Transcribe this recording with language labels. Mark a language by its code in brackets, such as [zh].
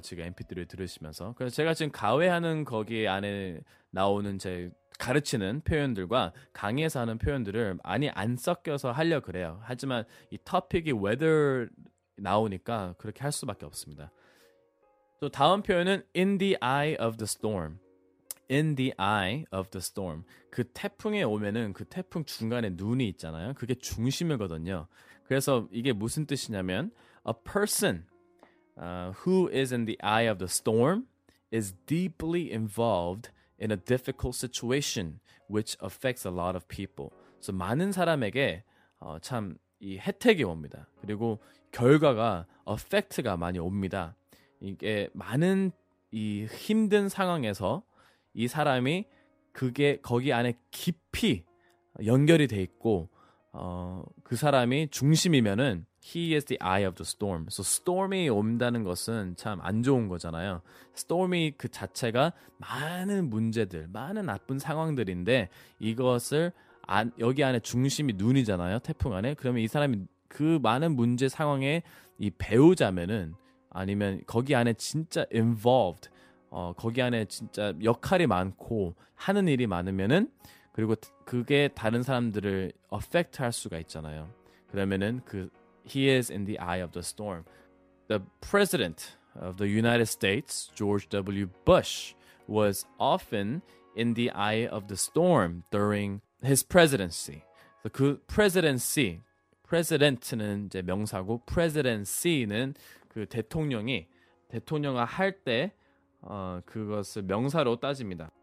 [ko] 지금 MP3를 들으시면서. 그래서 제가 지금 가외하는 거기 안에 나오는 제 가르치는 표현들과 강의에서 하는 표현들을 많이 안 섞여서 하려고 그래요. 하지만 이 topic이 weather 나오니까 그렇게 할 수밖에 없습니다. 또 다음 표현은 [en] in the eye of the storm. In the eye of the storm. [ko] 그 태풍에 오면은 그 태풍 중간에 눈이 있잖아요. 그게 중심이거든요. 그래서 이게 무슨 뜻이냐면 [en] a person who is in the eye of the storm is deeply involved in a difficult situation which affects a lot of people. [ko] So 많은 사람에게 참 이 혜택이 옵니다. 그리고 결과가 effect가 많이 옵니다. 이게 많은 이 힘든 상황에서 이 사람이 그게 거기 안에 깊이 연결이 돼 있고 그 사람이 중심이면은 [en] he is the eye of the storm. [ko] So storm이 온다는 것은 참 안 좋은 거잖아요. storm이 그 자체가 많은 문제들, 많은 나쁜 상황들인데 이것을 여기 안에 중심이 눈이잖아요. 태풍 안에. 그러면 이 사람이 그 많은 문제 상황의 이 배우자면은 아니면 거기 안에 진짜 involved 거기 안에 진짜 역할이 많고 하는 일이 많으면은 그리고 그게 다른 사람들을 affect 할 수가 있잖아요. 그러면은 그 [en] he is in the eye of the storm. The president of the United States, George W. Bush, was often in the eye of the storm during his presidency. [ko] So 그 presidency, president는 이제 명사고 presidency는 그 대통령이 할 때 그것을 명사로 따집니다.